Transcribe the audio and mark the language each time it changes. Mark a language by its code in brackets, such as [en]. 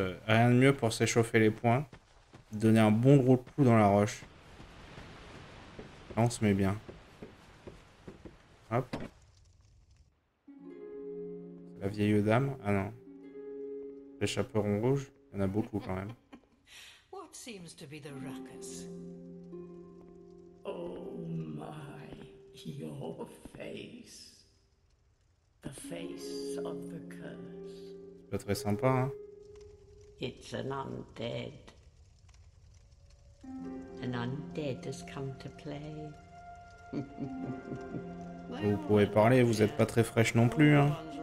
[fr] Rien de mieux pour s'échauffer les poings. Donner un bon gros coup dans la roche. Là, on se met bien. Hop. La vieille dame. Ah non. Les chaperons rouges. Il y en a beaucoup quand même. [en] What seems to be the ruckus? Oh my, your face. The face of the curse. [fr] C'est pas très sympa, hein. [en] It's an undead. An undead has come to play. [fr] Vous pouvez parler, vous êtes pas très fraîche non plus, hein.